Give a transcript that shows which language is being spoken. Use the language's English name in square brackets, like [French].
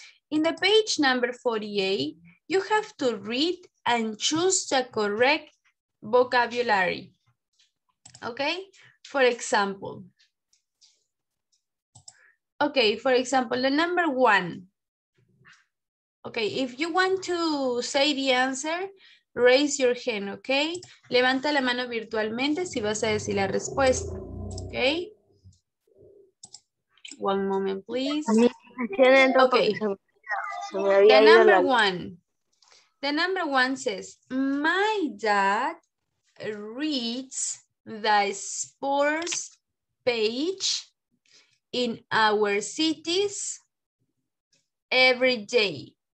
[English] In the page number 48, you have to read and choose the correct vocabulary, okay? For example. Okay, for example, the number one. Okay, if you want to say the answer, raise your hand, okay? [Spanish] Levanta la mano virtualmente si vas a decir la respuesta, okay? [English] One moment, please. Okay. The number one. The number one says, my dad reads the sports page in our cities every day.